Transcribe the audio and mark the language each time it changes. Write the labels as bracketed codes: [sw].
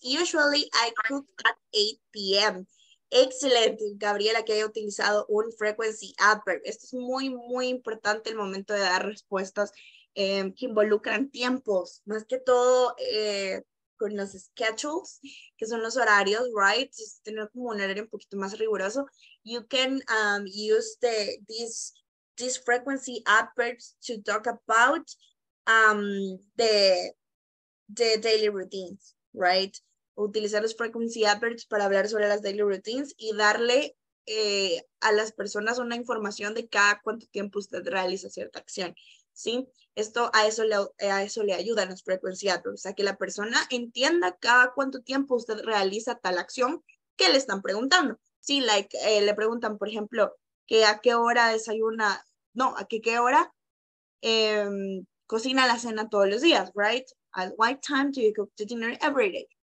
[en] Usually I cook at 8 p.m. Excellent, Gabriela, [es] que haya utilizado un [en] frequency adverb. [es] Esto es muy, muy importante el momento de dar respuestas que involucran tiempos. Más que todo con los schedules, que son los horarios, right? Es tener como un horario un poquito más riguroso. [en] You can use these frequency adverbs to talk about the daily routines, right? [es] Utilizar los frequency adverbs para hablar sobre las daily routines y darle a las personas una información de cada cuánto tiempo usted realiza cierta acción, ¿sí? Esto, a eso le ayudan los frequency adverbs, a que la persona entienda cada cuánto tiempo usted realiza tal acción que le están preguntando. Sí, like, le preguntan, por ejemplo, que a qué hora desayuna. No, ¿a qué hora cocina la cena todos los días, right? [en] At what time do you cook the dinner every day?